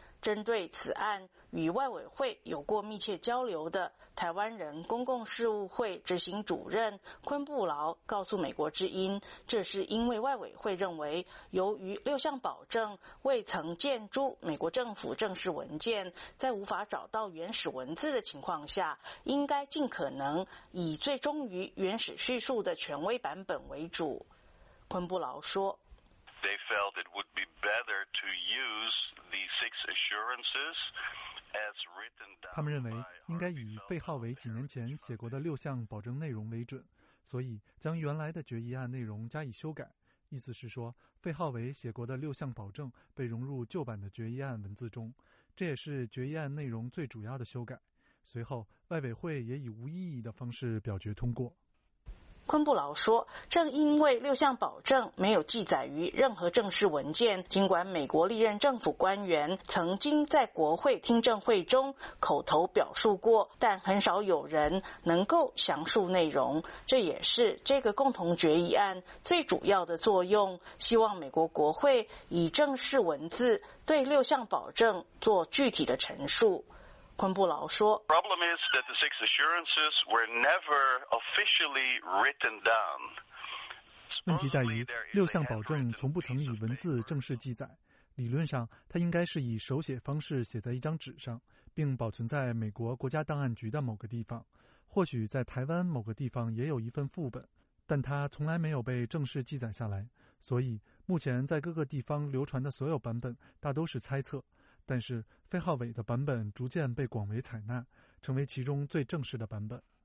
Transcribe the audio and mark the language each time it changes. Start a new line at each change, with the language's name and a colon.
Chinese: 针对此案，与外委会有过密切交流的台湾人公共事务会执行主任昆布劳告诉美国之音，这是因为外委会认为由于六项保证未曾见诸美国政府正式文件，在无法找到原始文字的情况下，应该尽可能以最忠于原始叙述的权威版本为主。昆布劳说，
English: They felt it would be better to use the six assurances.
Chinese: 他们认为应该以费浩维几年前写过的六项保证内容为准，所以将原来的决议案内容加以修改，意思是说费浩维写过的六项保证被融入旧版的决议案文字中，这也是决议案内容最主要的修改。随后外委会也以无异议的方式表决通过。昆布劳说，正因为六项保证没有记载于任何正式文件，尽管美国历任政府官员曾经在国会听证会中口头表述过，但很少有人能够详述内容，这也是这个共同决议案最主要的作用，希望美国国会以正式文字对六项保证做具体的陈述。昆布劳说，
English: Problem is that the six assurances were never officially written down.
Chinese: 问题在于六项保证从不曾以文字正式记载，理论上它应该是以手写方式写在一张纸上，并保存在美国国家档案局的某个地方，或许在台湾某个地方也有一份副本，但它从来没有被正式记载下来，所以目前在各个地方流传的所有版本大都是猜测，但是费浩伟的版本逐渐被广为采纳，成为其中最正式的版本。